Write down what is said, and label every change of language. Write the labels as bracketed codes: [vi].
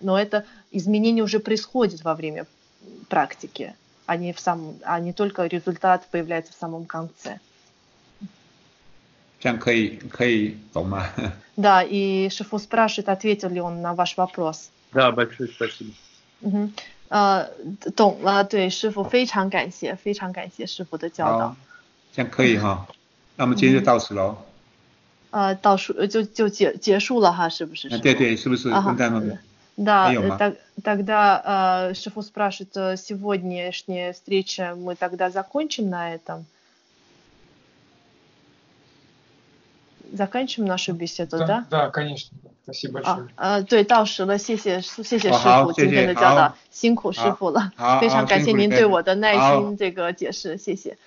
[ru] Но это изменение уже происходит во время практики, а не только результат появляется в самом конце. [zh] 这样可以懂吗？ [ru] Да, и Шифу спрашивает, ответил ли он на ваш вопрос. Да, большое спасибо. [zh] 懂了，对师傅非常感谢，非常感谢师傅的教导。好，这样可以哈，那我们今天就到此喽。倒数就结束了哈，是不是？对对，是不是？啊，对。 [ru] Да, тогда Шифу спрашивает, сегодняшняя встреча мы тогда закончим на этом? Заканчиваем нашу беседу, да? Да, конечно. Спасибо большое. [zh] 对，到时了，谢谢师傅今天的教导，辛苦师傅了，非常感谢您对我的耐心这个解释，谢谢。